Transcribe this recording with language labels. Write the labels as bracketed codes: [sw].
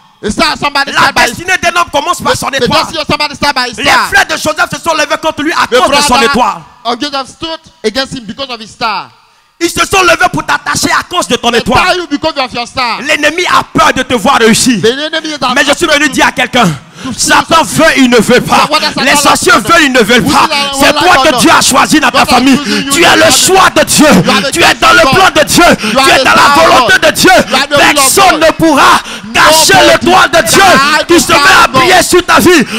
[fr] La destinée d'un homme commence par son étoile. Les frères de Joseph se sont levés contre lui à cause de son étoile. [en] Joseph stood against him because of his star. [fr] Ils se sont levés pour t'attacher à cause de ton étoile. L'ennemi a peur de te voir réussir. Mais je suis venu dire à quelqu'un. Satan veut, il ne veut pas. Les sorciers veulent, ils ne veulent pas. C'est toi que Dieu a choisi dans ta famille. Tu es le choix de Dieu. Tu es dans le plan de Dieu. Tu es dans la volonté de Dieu. Personne ne pourra cacher l'étoile de Dieu qui se met à briller sur ta vie.